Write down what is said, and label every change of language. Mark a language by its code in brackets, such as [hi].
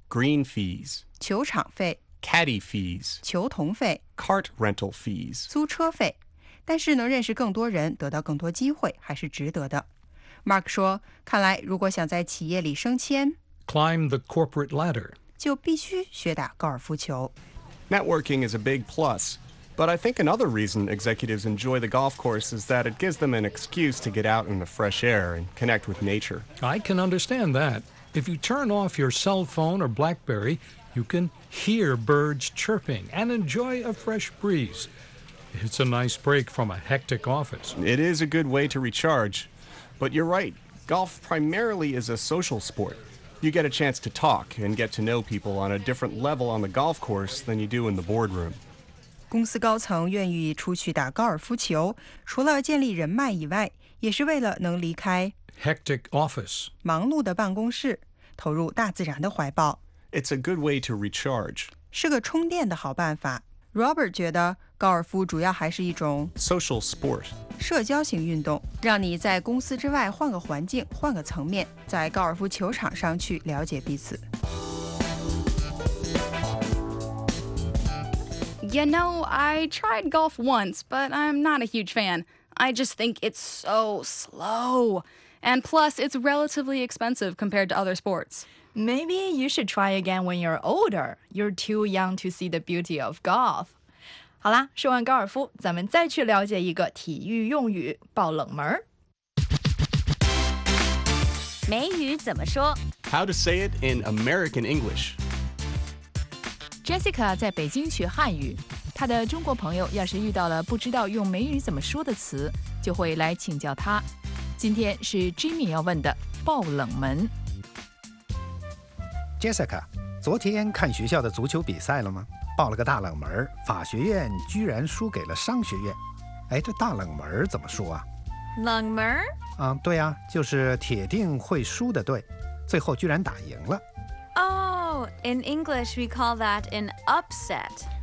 [en] green fees [zh] 球场费、caddy [en] fees [zh] 球童费、cart [en] rental fees [zh] 租车费。但是能认识更多人，得到更多机会，还是值得的。Mark说，看来如果想在企业里升迁， [en] climb the corporate ladder， [zh] 就必须学打高尔夫球。Networking [en] is a big plus, but I think another reason executives enjoy the golf course is that it gives them an excuse to get out in the fresh air and connect with nature. I can understand that. If you turn off your cell phone or BlackBerry, you can hear birds chirping and enjoy a fresh breeze. It's a nice break from a hectic office. It is a good way to recharge. But you're right. Golf primarily is a social sport. You get a chance to talk and get to know people on a different level on the golf course than you do in the boardroom. [zh] 公司高层愿意出去打高尔夫球，除了建立人脉以外，也是为了能离开 [en] hectic office [zh] 忙碌的办公室，投入大自然的怀抱。 [en] It's a good way to recharge. [zh] 是个充电的好办法。Robert 觉得高尔夫主要还是一种 [en] social sport [zh] 社交型运动，让你在公司之外换个环境，换个层面，在高尔夫球场上去了解彼此。 [en] You know, I tried golf once, but I'm not a huge fan. I just think it's so slow. And plus, it's relatively expensive compared to other sports. Maybe you should try again when you're older. You're too young to see the beauty of golf. [zh] 好啦，说完高尔夫，咱们再去了解一个体育用语，爆冷门。美语怎么说？ [en] How to say it in American English. [zh] Jessica 在北京学汉语，她的中国朋友要是遇到了不知道用美语怎么说的词，就会来请教她。今天是 Jimmy 要问的爆冷门。 Jessica, 昨天看学校的足球比赛了吗？爆了个大冷门，法学院居然输给了商学院。哎，这大冷门怎么说啊？冷门？对啊，就是铁定会输的队，最后居然打赢了。 [en] Oh, in English we call that an upset.